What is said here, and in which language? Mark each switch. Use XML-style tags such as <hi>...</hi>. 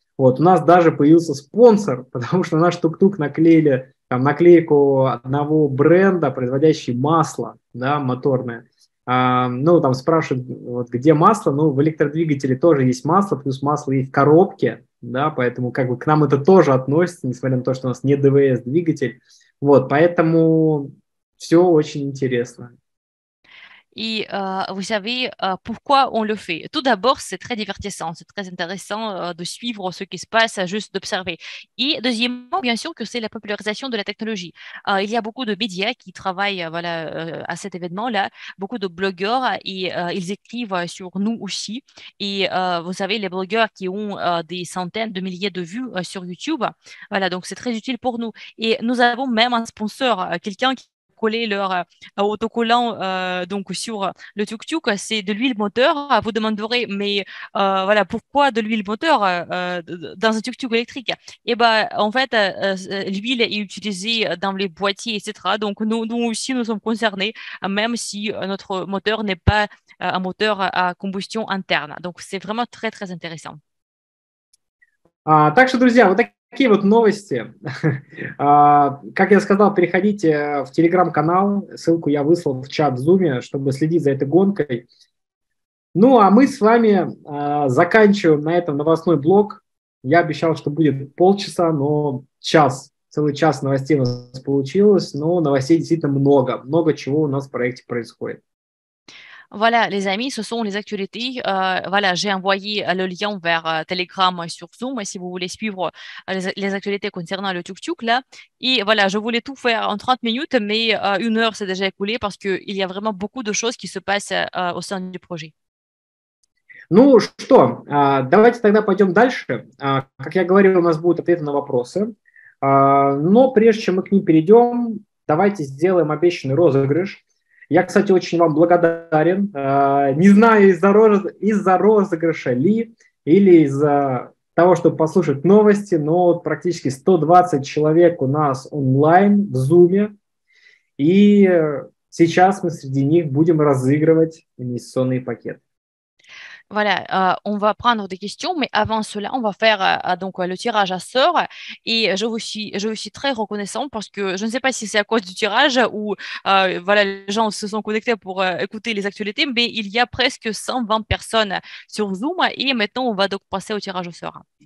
<ru>Вот, у нас даже появился спонсор, потому что наш тук-тук наклеили там, наклейку одного бренда, производящего масло, да, моторное. Ну, там спрашивают, вот, где масло. Ну, в электродвигателе тоже есть масло, плюс масло есть в коробке, да, поэтому как бы к нам это тоже относится, несмотря на то, что у нас не ДВС-двигатель. Вот, поэтому все очень интересно.</ru> <fr>Et vous savez pourquoi on le fait. Tout d'abord, c'est très divertissant, c'est très intéressant de suivre ce qui se passe, juste d'observer. Et deuxièmement, bien sûr que c'est la popularisation de la technologie. Il y a beaucoup de médias qui travaillent voilà, à cet événement-là, beaucoup de blogueurs, et ils écrivent sur nous aussi. Et vous savez, les blogueurs qui ont des centaines de milliers de vues sur YouTube, voilà, donc c'est très utile pour nous. Et nous avons même un sponsor, quelqu'un qui coller leur autocollant donc sur le tuk-tuk, c'est de l'huile moteur. Vous demanderez, mais voilà, pourquoi de l'huile moteur dans un tuk-tuk électrique? Eh bien, en fait, l'huile est utilisée dans les boîtiers, etc. Donc, nous aussi, nous sommes concernés, même si notre moteur n'est pas un moteur à combustion interne. Donc, c'est vraiment très, très intéressant.</fr> <ru>Так что, друзья, вот такие вот новости. Как я сказал, переходите в телеграм-канал, ссылку я выслал в чат в Зуме, чтобы следить за этой гонкой. Ну, а мы с вами заканчиваем на этом новостной блок. Я обещал, что будет полчаса, но час, целый час новостей у нас получилось, но новостей действительно много, много чего у нас в проекте происходит.</ru> <fr>Voilà, les amis, ce sont les actualités. Voilà, j'ai envoyé le lien vers Telegram sur Zoom, si vous voulez suivre les actualités concernant le tuk-tuk, là. Et voilà, je voulais tout faire en 30 minutes, mais une heure s'est déjà écoulée parce qu'il y a vraiment beaucoup de choses qui se passent au sein du projet.</fr> <ru>Ну что, давайте тогда пойдем дальше. Как я говорил, у нас будут ответы на вопросы. Но прежде чем мы к ним перейдем, давайте сделаем обещанный розыгрыш. Я, кстати, очень вам благодарен. Не знаю, из-за розыгрыша ли, или из-за того, чтобы послушать новости, но практически 120 человек у нас онлайн в Зуме. И сейчас мы среди них будем разыгрывать инвестиционный пакет.</ru> <fr>Voilà, on va prendre des questions, mais avant cela, on va faire donc le tirage à sort. Et je vous suis très reconnaissant parce que je ne sais pas si c'est à cause du tirage ou voilà, les gens se sont connectés pour écouter les actualités, mais il y a presque 120 personnes sur Zoom et maintenant on va donc passer au tirage au sort.</fr>